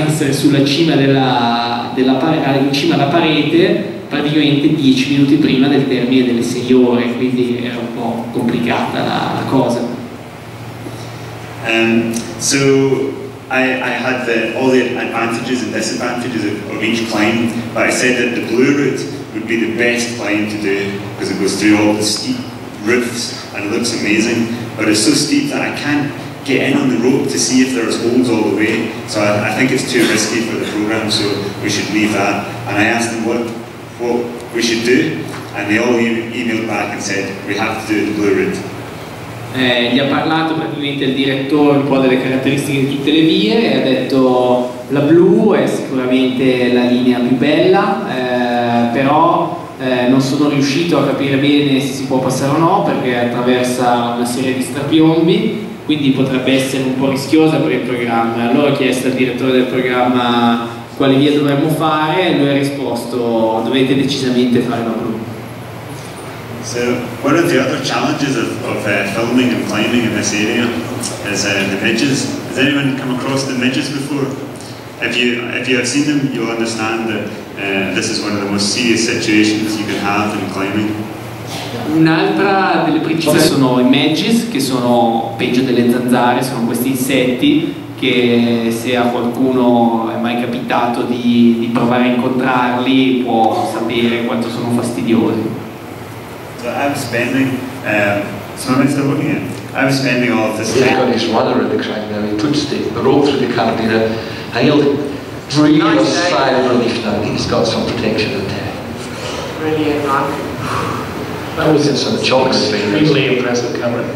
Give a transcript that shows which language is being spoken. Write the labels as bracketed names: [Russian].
[Italian] Sulla cima in cima alla parete praticamente 10 minuti prima del termine delle 6 ore, quindi era un po' complicata la cosa. [English] So I had all the advantages and disadvantages of each climb, but I said that the blue route would be the best climb to do because it goes through all the steep roofs and it looks amazing, but it's so steep that I can't get in on the rope to see if there's holes all the way, so I think it's too risky for the program, so we should leave that. And I asked them what we should do, and they all emailed back and said we have to do the blue route. [Italian] Gli ha parlato praticamente il direttore un po' delle caratteristiche di tutte le vie e ha detto la blu è sicuramente la linea più bella, però non sono riuscito a capire bene se si può passare o no perché attraversa una serie di strapiombi, quindi potrebbe essere un po' rischiosa per il programma. Allora ho chiesto al direttore del programma quale via dovremmo fare e lui ha risposto dovete decisamente fare la blu. [English] So one of the other challenges of filming and climbing in this area is the midges. Has anyone come across the midges before? If you have seen them, you'll understand that this is one of the most serious situations you can have in climbing. [Italian] Un'altra delle principali sono i midges, che sono peggio delle zanzare, sono questi insetti che se a qualcuno è mai capitato di provare a incontrarli può sapere quanto sono fastidiosi. [English] I was spending all of this time. He got his rudder in the crank there, he puts the rope through the carabiner, and he'll breathe a sigh of relief now. He's got some protection in there. Brilliant, man. That was in some chocks. Extremely impressive, Cameron.